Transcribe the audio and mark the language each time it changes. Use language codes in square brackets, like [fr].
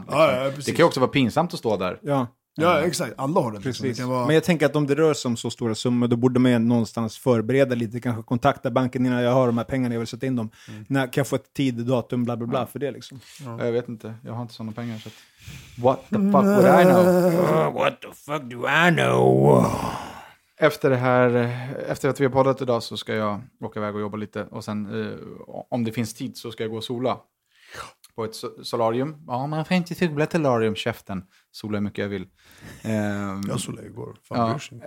[sv] Liksom. Ja, precis. Det kan också vara pinsamt att stå där. Ja. Ja, exakt. Alla har den. Precis. Liksom. Men jag tänker att om det rör sig om så stora summor, då borde man någonstans förbereda lite. Kanske kontakta banken innan jag har de här pengarna, jag vill sätta in dem. Mm. När kan jag få ett tid, datum, bla bla bla för det liksom. Ja. Jag vet inte. Jag har inte sådana pengar. Så att... [en] What the fuck would I know? What the fuck do I know? [sv] Efter det här, efter att vi har poddat idag så ska jag åka iväg och jobba lite. Och sen, om det finns tid så ska jag gå och sola. På ett solarium. Ja, man får inte tyckla ett solarium, käften. Sola hur mycket jag vill. Jag solade igår. Fan, ja,